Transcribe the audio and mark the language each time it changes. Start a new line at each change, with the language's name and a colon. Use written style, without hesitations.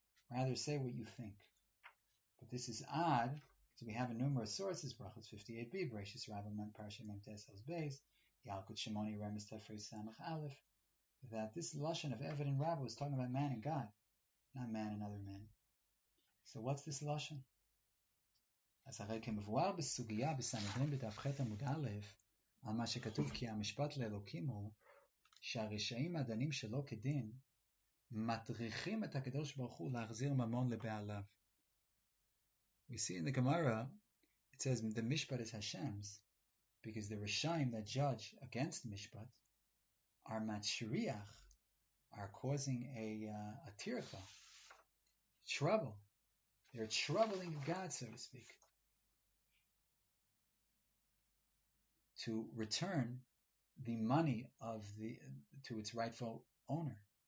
English: Rather, say what you think. But this is odd, because we have in numerous sources, Brachos 58b, Bereshis Rabba Mem Parsha Mem Tesel's Beis, Yalkut Shimoni Remes Tefri Samach Aleph, that this Lashon of Evid and Rabba was talking about man and God, not man and other men. So what's this Lashon?
Hebrew: אז הרי כמבואר בסוגיה בסנהדרין בדף ח' עמוד א', על מה שכתוב כי המשפט לאלוקים הוא שהרשעים הדנים שלא כדין מטריחים את הקדוש ברוך הוא להחזיר ממון לבעליו.
English: We see in the Gemara, it says the Mishpat is Hashem's, because the Rishayim that judge against Mishpat are matshriach, are causing a tircha, trouble. They're troubling God, so to speak, to return the money of the to its rightful owner.